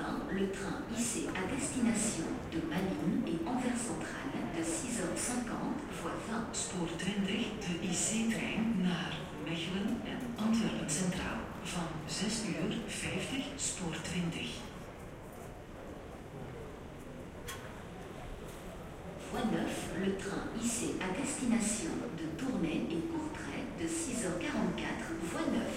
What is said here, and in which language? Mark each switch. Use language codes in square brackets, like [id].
[fr] Le train hissé à destination de Malines et Anvers Centrale de 6h50 voie 20. [nl] Spoor 20, de IC-trein naar Mechelen en Antwerpen Centraal van 6:50, spoor 20. [fr] Voie 9, le train hissé à destination de Tournai et Courtrai de 6h44, voie 9.